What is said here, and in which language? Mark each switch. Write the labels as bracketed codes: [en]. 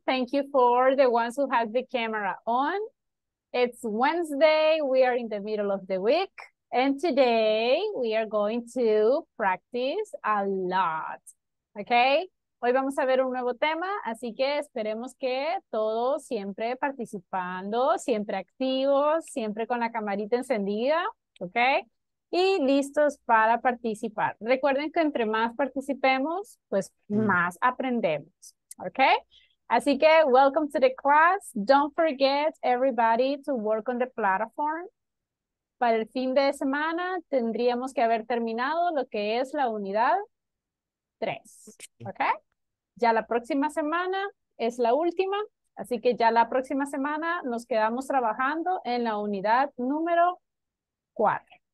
[en] Thank you for the ones who have the camera on. It's Wednesday. We are in the middle of the week. And today we are going to practice a lot. [es] Okay, hoy vamos a ver un nuevo tema, así que esperemos que todos siempre participando, siempre activos, siempre con la camarita encendida, okay, y listos para participar. Recuerden que entre más participemos, pues más aprendemos, okay. Así que [en] welcome to the class. Don't forget everybody to work on the platform. [es] Para el fin de semana tendríamos que haber terminado lo que es la unidad 3, ¿okay? Ya la próxima semana es la última, así que ya la próxima semana nos quedamos trabajando en la unidad número 4.